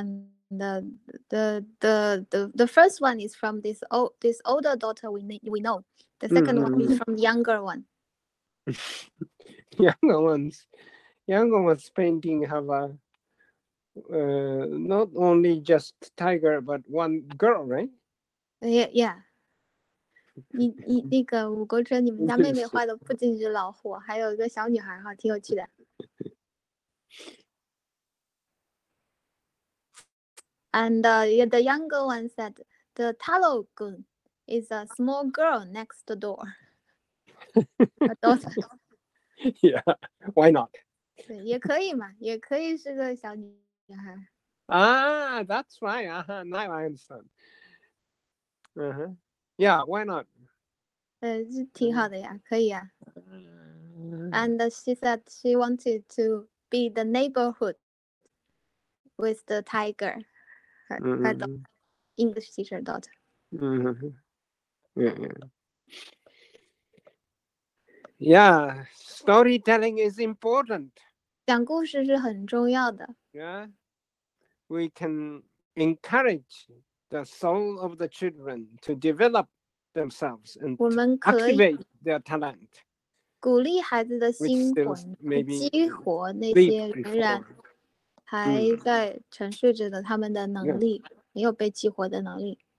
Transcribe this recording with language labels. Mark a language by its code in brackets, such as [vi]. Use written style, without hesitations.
[en] And the first one is from this older daughter we know. The second one is from the younger one. Younger ones painting have not only just tiger but one girl, right? Yeah. [zh] 那个武国春，你们家妹妹画的不仅是老虎，还有一个小女孩哈，挺有趣的。 [en] And the younger one said the Talogun is a small girl next door. Yeah, why not? [zh] 对，也可以嘛，也可以是个小女孩。 [en] That's right. Uh-huh, now I understand. Uh-huh. Yeah, why not? [zh] 是挺好的呀，可以呀。 [en] And she said she wanted to be the neighborhood with the tiger. Mm-hmm. English teacher daughter. Mm-hmm. Yeah. Storytelling is important. [zh] 讲故事是很重要的。 [en] Yeah. We can encourage the soul of the children to develop themselves and activate their talent. [zh] 鼓励孩子的心魂，激活那些仍然还在沉睡着的他们的能力，没有被激活的能力。